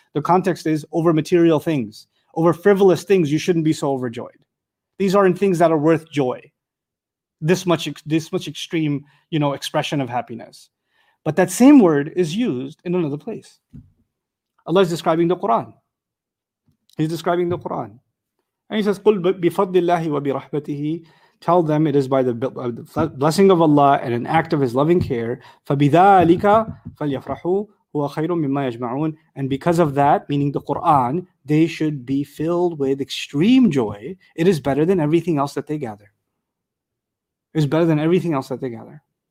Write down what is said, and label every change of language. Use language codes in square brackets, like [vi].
[en] The context is over material things, over frivolous things, you shouldn't be so overjoyed. These aren't things that are worth joy. This much extreme, you know, expression of happiness. But that same word is used in another place. Allah is describing the Quran. He's describing the Quran. And he says, [ar] قُلْ بِفَضْلِ اللَّهِ وَبِرَحْمَتِهِ. [en] Tell them it is by the blessing of Allah and an act of His loving care. [ar] فَبِذَٰلِكَ فَلْيَفْرَحُوا هُوَ خَيْرٌ مِمَّا يَجْمَعُونَ. [en] And because of that, meaning the Quran, they should be filled with extreme joy. It is better than everything else that they gather. It's better than everything else that they gather.